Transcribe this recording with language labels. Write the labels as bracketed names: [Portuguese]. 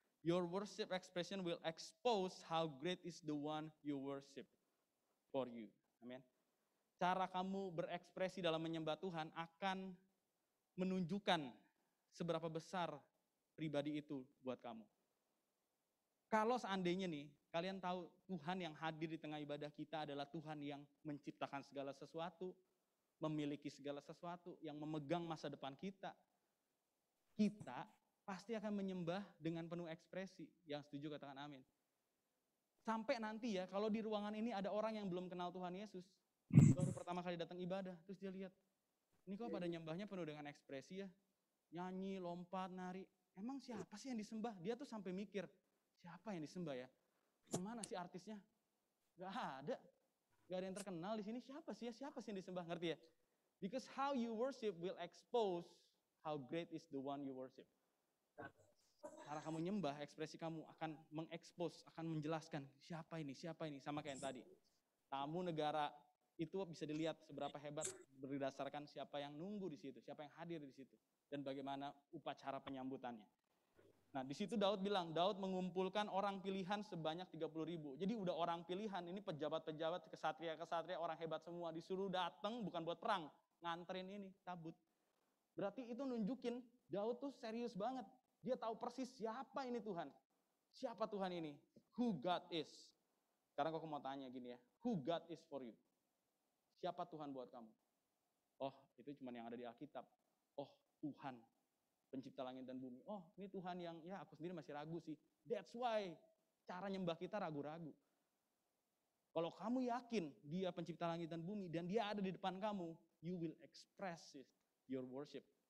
[English] Your worship expression will expose how great is the one you worship for you. Amen. [Indonesian] Cara kamu berekspresi dalam menyembah Tuhan akan menunjukkan seberapa besar pribadi itu buat kamu. Kalau seandainya nih, kalian tahu Tuhan yang hadir di tengah ibadah kita adalah Tuhan yang menciptakan segala sesuatu, memiliki segala sesuatu, yang memegang masa depan kita. Kita pasti akan menyembah dengan penuh ekspresi. Yang setuju katakan amin. Sampai nanti ya, kalau di ruangan ini ada orang yang belum kenal Tuhan Yesus, baru pertama kali datang ibadah, terus dia lihat, ini kok pada nyembahnya penuh dengan ekspresi ya. Nyanyi, lompat, nari. Emang siapa sih yang disembah? Dia tuh sampai mikir, siapa yang disembah ya? Kemana sih artisnya? Gak ada. Gak ada yang terkenal di sini. Siapa sih ya? Siapa sih yang disembah? Ngerti ya? [English] Because how you worship will expose how great is the one you worship. [Indonesian] Cara kamu nyembah, ekspresi kamu akan mengekspos, akan menjelaskan siapa ini, siapa ini. Sama kayak yang tadi. Tamu negara itu bisa dilihat seberapa hebat berdasarkan siapa yang nunggu di situ, siapa yang hadir di situ, dan bagaimana upacara penyambutannya. Nah, di situ Daud bilang, Daud mengumpulkan orang pilihan sebanyak 30.000. Jadi udah orang pilihan, ini pejabat-pejabat, kesatria-kesatria, orang hebat semua, disuruh datang bukan buat perang, nganterin ini, tabut. Berarti itu nunjukin, Daud tuh serius banget. Dia tahu persis siapa ini Tuhan. Siapa Tuhan ini? Who God is? Sekarang aku mau tanya gini ya, who God is for you? Siapa Tuhan buat kamu? Oh, itu cuma yang ada di Alkitab. Oh, Tuhan, pencipta langit dan bumi. Oh, ini Tuhan yang, ya aku sendiri masih ragu sih. That's why, cara nyembah kita ragu-ragu. Kalau kamu yakin dia pencipta langit dan bumi, dan dia ada di depan kamu, you will express it, your worship.